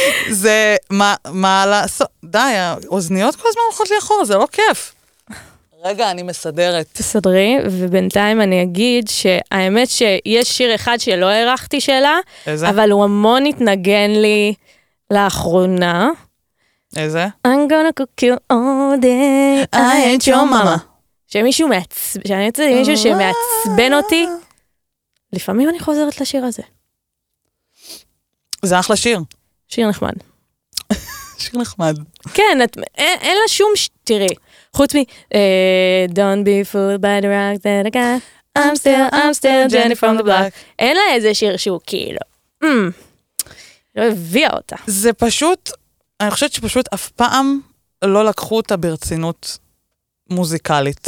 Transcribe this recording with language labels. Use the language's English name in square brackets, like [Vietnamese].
[Hebrew] זה, מה לעשות? די, האוזניות כל הזמן הולכות לי אחורה, זה לא כיף. רגע, אני מסדרת. תסדרי, ובינתיים אני אגיד שהאמת שיש שיר אחד שלא הערכתי שלה, אבל הוא המון התנגן לי לאחרונה. איזה? [English] I'm gonna cook you all day, I ain't your mama. [Hebrew] שמישהו מעצבן, שאני רוצה להגיד מישהו שמעצבן אותי, לפעמים אני חוזרת לשיר הזה. זה אחלה שיר. שיר נחמד. שיר נחמד. כן, אין לה שום, תראי, חוץ מ... [English] Don't be fooled by the rock that I got, I'm still Jenny from the block. [Hebrew] אין לה איזה שיר שהוא כאילו, לא הביאה אותה. זה פשוט... אני חושבת שפשוט אף פעם לא לקחו אותה ברצינות מוזיקלית.